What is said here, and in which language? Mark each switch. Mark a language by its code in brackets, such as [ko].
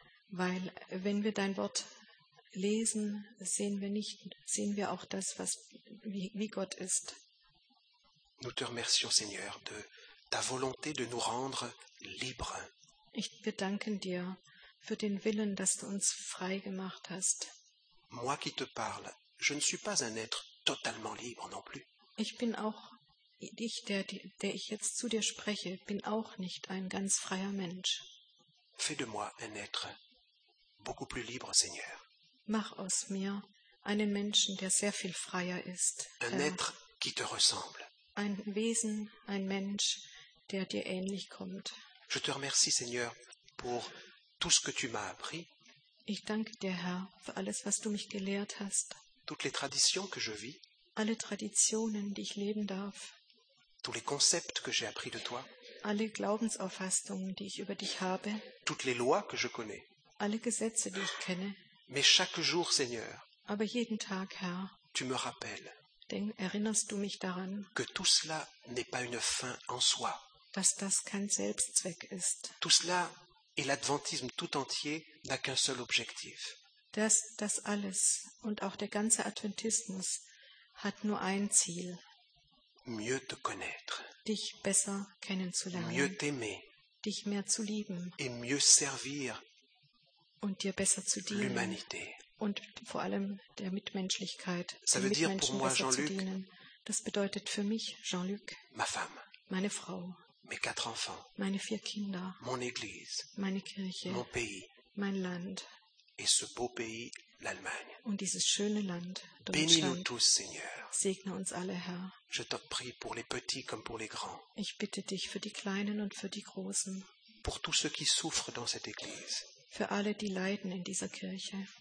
[de] Weil wenn wir dein Wort lesen, sehen wir auch das, was wie Gott ist. [fr] Nous te remercions, Seigneur, de ta volonté de nous rendre libres. [de] Wir danken dir für den Willen, dass du uns frei gemacht hast. [fr] Moi qui te parle, je ne suis pas un être totalement libre non plus. [de] Ich bin auch ich, der ich jetzt zu dir spreche, bin auch nicht ein ganz freier Mensch. [fr] Fais de moi un être beaucoup plus libre, Seigneur. [de] Mach aus mir einen Menschen, der sehr viel freier ist. [fr] Un être qui te ressemble. [de] Ein Wesen, ein Mensch, der dir ähnlich kommt. [fr] Je te remercie, Seigneur, pour tout ce que tu m'as appris. [de] Ich danke dir, Herr, für alles, was du mich gelehrt hast. [fr] Toutes les traditions que je vis. [de] Alle Traditionen, die ich leben darf. [fr] Tous les concepts que j'ai appris de toi. [de] Alle Glaubensauffassungen, die ich über dich habe. [fr] Toutes les lois que je connais. [de] Alle Gesetze, die ich kenne. [fr] Mais chaque jour, Seigneur. [de] Aber jeden Tag, Herr. [fr] Tu me rappelles. [de] Denn erinnerst du mich daran, [fr] que tout cela n'est pas une fin en soi. [de] Dass das kein Selbstzweck ist. [fr] Tout cela et l'adventisme tout entier n'a qu'un seul objectif. [de] Das alles und auch der ganze Adventismus hat nur ein Ziel. [fr] Mieux te connaître. [de] Dich besser kennenzulernen. [fr] Mieux t'aimer. [de] Dich mehr zu lieben. [fr] Et mieux servir. [de] Und dir besser zu dienen. [fr] L'humanité. [de] Und vor allem der Mitmenschlichkeit. [fr] Ça veut dire pour moi, Jean-Luc, [de] das bedeutet für mich, Jean-Luc, [fr] ma femme, [de] meine Frau, [fr] mes quatre enfants, [de] meine vier Kinder, [fr] mon église, [de] meine Kirche, [fr] mon pays, [de] mein Land, [fr] et ce beau pays, l'Allemagne. [de] Und dieses schöne Land, Deutschland. [fr] Bénis-nous tous, Seigneur. [de] Segne uns alle, Herr. [fr] Je t'en prie pour les petits comme pour les grands. [de] Ich bitte dich für die Kleinen und für die Großen. [fr] Pour tous ceux qui souffrent dans cette église. [de] Für alle, die leiden in dieser Kirche.